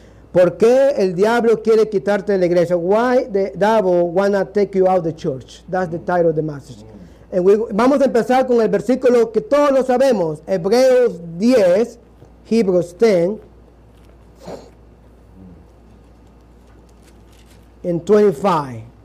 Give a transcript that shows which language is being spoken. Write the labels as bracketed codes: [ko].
[es] ¿Por qué el diablo quiere quitarte de la iglesia? [en] Why the devil wanna take you out of the church? That's the title of the message. [es] And vamos a empezar con el versículo que todos lo sabemos, Hebreos 10, Hebrews 10, en 25.